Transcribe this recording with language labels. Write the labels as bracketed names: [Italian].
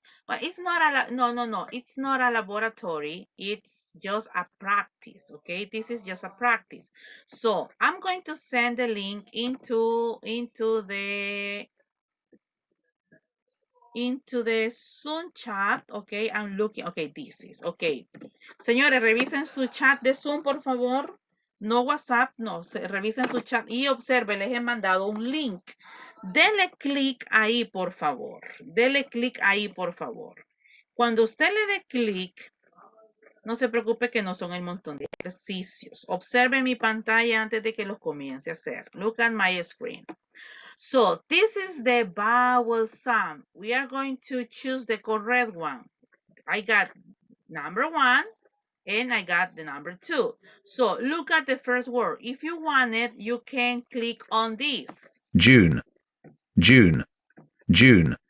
[English] It's not a laboratory, it's just a practice. Okay, this is just a practice. So I'm going to send the link into the Zoom chat. Okay, I'm looking. Okay, this is okay. [Spanish] Señores, revisen su chat de Zoom, por favor. No WhatsApp, no, revisen su chat y observe, les he mandado un link. Dele clic ahí, por favor. Dele clic ahí, por favor. Cuando usted le dé clic, no se preocupe que no son el montón de ejercicios. Observe mi pantalla antes de que los comience a hacer. [English] Look at my screen. So, this is the vowel sound. We are going to choose the correct one. I got number one. And I got the number two. So look at the first word. If you want it, you can click on this. June, June, June.